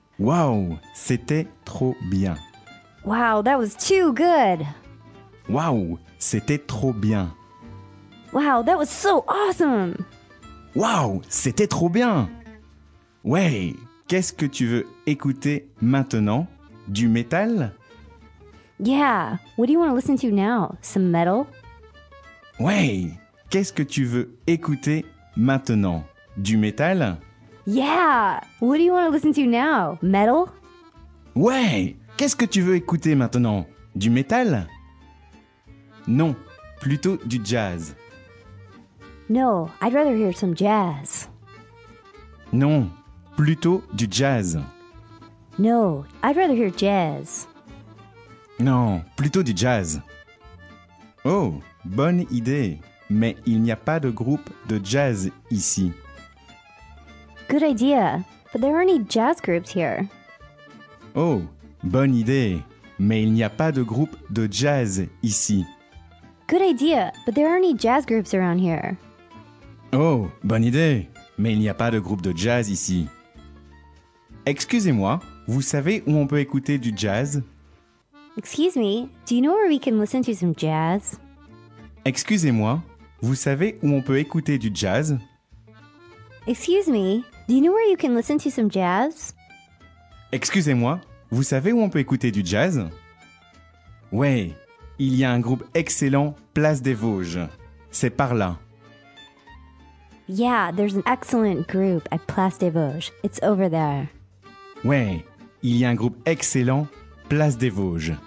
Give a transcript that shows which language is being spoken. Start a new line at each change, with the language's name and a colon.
French: Wow, c'était trop bien.
English: Wow, that was too good.
French: Wow, c'était trop bien.
English: Wow, that was so awesome.
French: Wow, c'était trop bien. Ouais, qu'est-ce que tu veux écouter maintenant? Du métal?
English: Yeah, what do you want to listen to now? Some metal?
French: Ouais, qu'est-ce que tu veux écouter maintenant? Du métal?
English: Yeah! What do you want to listen to now? Metal?
French: Ouais! Qu'est-ce que tu veux écouter maintenant? Du métal? Non, plutôt du jazz.
English: No, I'd rather hear some jazz.
French: Non, plutôt du jazz.
English: No, I'd rather hear jazz.
French: Non, plutôt du jazz. Oh, bonne idée! Mais il n'y a pas de groupe de jazz ici.
English: Good idea, but there aren't any jazz groups here.
French: Oh, bonne idée, mais il n'y a pas de groupe de jazz ici.
English: Good idea, but there aren't any jazz groups around here.
French: Oh, bonne idée, mais il n'y a pas de groupe de jazz ici. Excusez-moi, vous savez où on peut écouter du jazz?
English: Excuse me, do you know where we can listen to some jazz?
French: Excusez-moi, vous savez où on peut écouter du jazz?
English: Excuse me, do you know where you can listen to some jazz?
French: Excusez-moi, vous savez où on peut écouter du jazz? Ouais, il y a un groupe excellent Place des Vosges. C'est par là.
English: Yeah, there's an excellent group at Place des Vosges. It's over there.
French: Ouais, il y a un groupe excellent Place des Vosges.